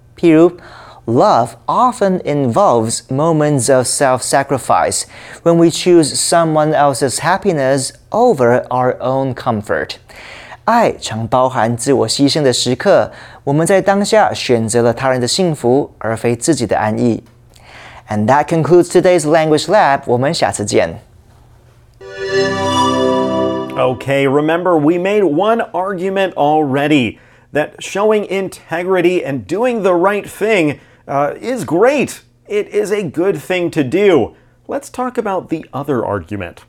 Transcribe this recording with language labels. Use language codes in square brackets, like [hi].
[en] 譬如 ，love often involves moments of self-sacrifice when we choose someone else's happiness over our own comfort. [zh] 爱常包含自我牺牲的时刻，我们在当下选择了他人的幸福而非自己的安逸。 [en] And that concludes today's Language Lab. [zh] 我们下次见。 [en] Okay, remember, we made one argument already that showing integrity and doing the right thing, is great. It is a good thing to do. Let's talk about the other argument.